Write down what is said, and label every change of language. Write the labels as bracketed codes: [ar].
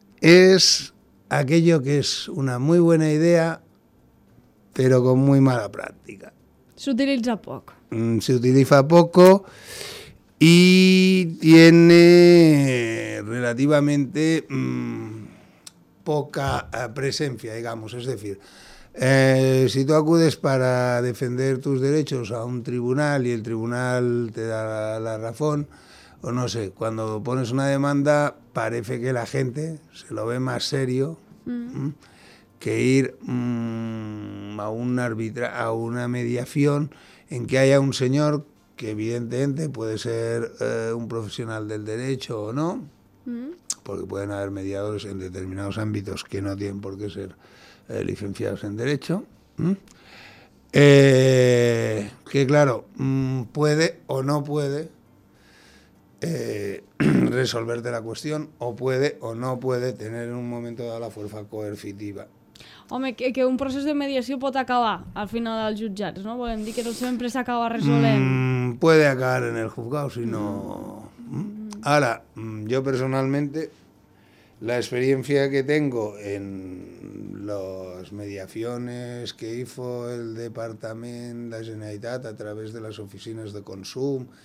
[es] És aquello que és una muy buena idea, però con muy mala pràctica. [ca] S'utilitza poc. [es] S'utilitza poco y tiene relativamente poca presencia, digamos. Es decir, si tú acudes para defender tus derechos a un tribunal y el tribunal te da la razón... O no sé, cuando pones una demanda parece que la gente se lo ve más serio que ir a una mediación en que haya un señor que evidentemente puede ser un profesional del derecho o no, porque pueden haber mediadores en determinados ámbitos que no tienen por qué ser licenciados en derecho, que claro, puede o no puede resolverte la qüestió, o puede o no puede tener en un momento dado la fuerza coercitiva. [ca] Home, que un procés de mediació pot acabar al final dels jutjats, no? Volem dir que no sempre s'acaba resolent. [es] Puede acabar en el juzgado, si no... Ahora, yo personalmente, la experiencia que tengo en las mediaciones que hizo el Departamento de Generalitat a través de las oficinas de consum,